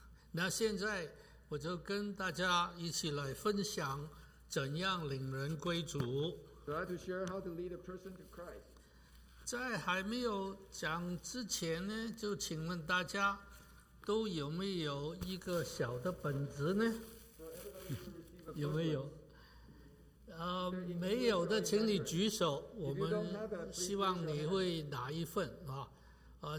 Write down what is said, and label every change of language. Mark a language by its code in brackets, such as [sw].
[zh] 那现在我就跟大家一起来分享怎样领人归主。 [en] Try to share how to lead a person to Christ. [zh] 在还没有讲之前呢，就请问大家都有没有一个小的本子呢？有没有？没有的请你举手，我们希望你会拿一份啊。